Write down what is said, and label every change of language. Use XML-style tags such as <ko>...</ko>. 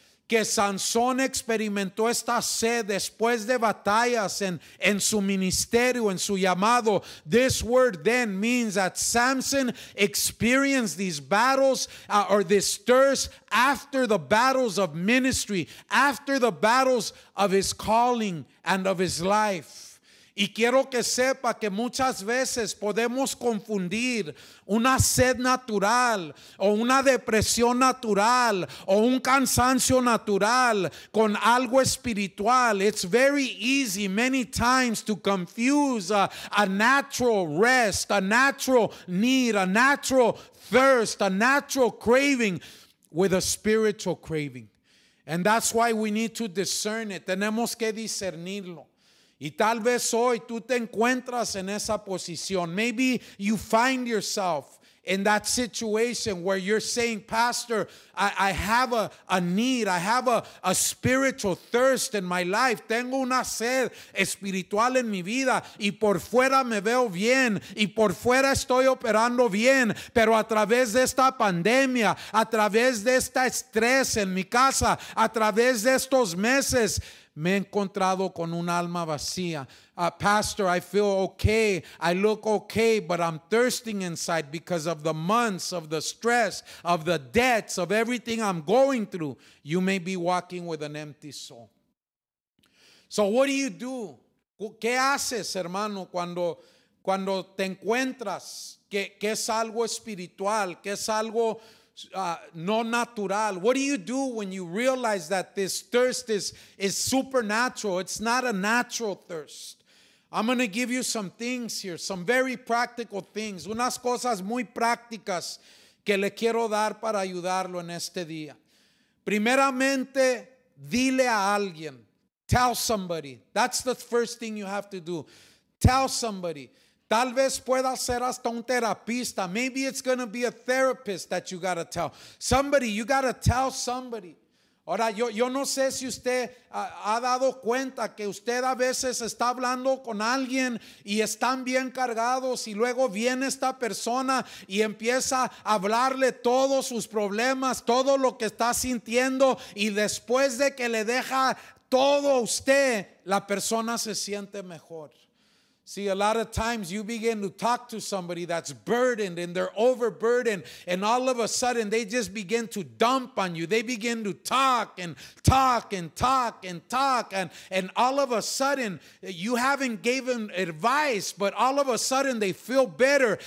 <es>que Sansón experimentó esta sed después de batallas en su ministerio, en su llamado.</es> <en>This word then means that Samson experienced these battles or this thirst after the battles of ministry, after the battles of his calling and of his life.</en> <es>Y quiero que sepa que muchas veces podemos confundir una sed natural o una depresión natural o un cansancio natural con algo espiritual.</es> <en>It's very easy many times to confuse a natural rest, a natural need, a natural thirst, a natural craving with a spiritual craving. And that's why we need to discern it.</en> <es>Tenemos que discernirlo. Y tal vez hoy tú te encuentras en esa posición.</es> <en>Maybe you find yourself in that situation where you're saying, Pastor, I have a need. I have a spiritual thirst in my life.</en> <es>Tengo una sed espiritual en mi vida. Y por fuera me veo bien. Y por fuera estoy operando bien. Pero a través de esta pandemia, a través de este estrés en mi casa, a través de estos meses, me he encontrado con un alma vacía.</es> <en>Pastor, I feel okay. I look okay, but I'm thirsting inside because of the months, of the stress, of the debts, of everything I'm going through. You may be walking with an empty soul. So what do you do?</en> <es>¿Qué haces, hermano, cuando te encuentras que es algo espiritual, que es algo no natural?</es> <en>What do you do when you realize that this thirst is supernatural? It's not a natural thirst. I'm going to give you some things here, some very practical things.</en> <es>Unas cosas muy prácticas que le quiero dar para ayudarlo en este día. Primeramente, dile a alguien.</es> <en>Tell somebody. That's the first thing you have to do. Tell somebody.</en> <es>Tal vez pueda ser hasta un terapista.</es> <en>Maybe it's going to be a therapist that you got to tell. Somebody, you got to tell somebody.</en> <es>Ahora, yo no sé si usted ha dado cuenta que usted a veces está hablando con alguien y están bien cargados y luego viene esta persona y empieza a hablarle todos sus problemas, todo lo que está sintiendo, y después de que le deja todo a usted, la persona se siente mejor.</es> <en>See, a lot of times you begin to talk to somebody that's burdened and they're overburdened, and all of a sudden they just begin to dump on you. They begin to talk and talk and talk and talk, and all of a sudden you haven't given advice, but all of a sudden they feel better.</en>